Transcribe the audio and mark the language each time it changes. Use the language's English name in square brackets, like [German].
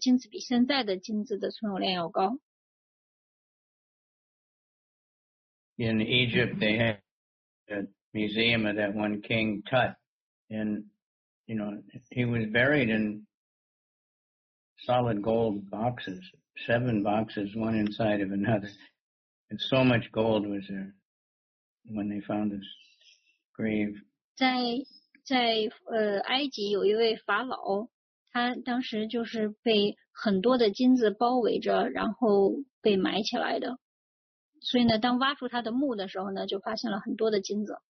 [Chinese] 即便是在这个卡利年代，刚开始的时候也是有很多的金子的，那会儿的金子比现在的金子的存有量要高。 [English] In Egypt, they had a museum of that one king, Tut, and, you know, he was buried in solid gold boxes, seven boxes, one inside of another. And so much gold was there when they found his grave. [Chinese] 在埃及有一位法老，他当时就是被很多的金子包围着，然后被埋起来的。所以呢，当挖出他的墓的时候呢，就发现了很多的金子。